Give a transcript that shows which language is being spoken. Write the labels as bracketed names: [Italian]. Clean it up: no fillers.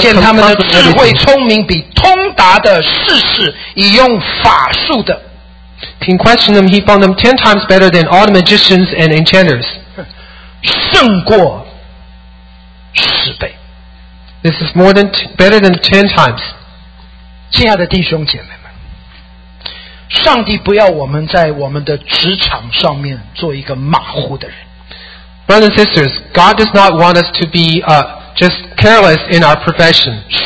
[Chinese] 见他们的智慧聪明比通达的士士以用法术的 [English] King questioned them, he found them 10 times better than all the magicians and enchanters. [Chinese] 胜过十倍 [English] This is more than, better than 10 times. [Chinese] 亲爱的弟兄姐妹们 上帝不要我们在我们的职场上面做一个马虎的人 [English] Brothers and sisters, God does not want us to be just careless in our profession.